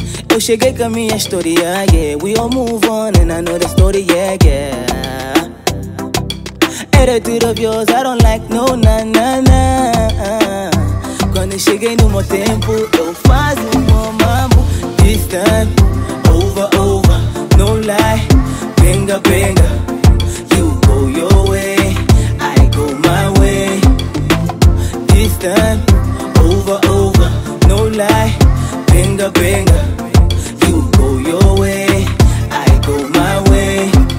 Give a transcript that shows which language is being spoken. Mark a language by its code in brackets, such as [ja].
[pt] Eu cheguei com a minha história, yeah. [en] We all move on and I know the story, yeah. Attitude of yours, I don't like, no, na. [pt] Quando cheguei no meu tempo, eu faz o meu mambo. [en] This time, over, no lie. Benga, you go your way, I go my way. This time, over, no lie. Benga, you go your way, I go my way.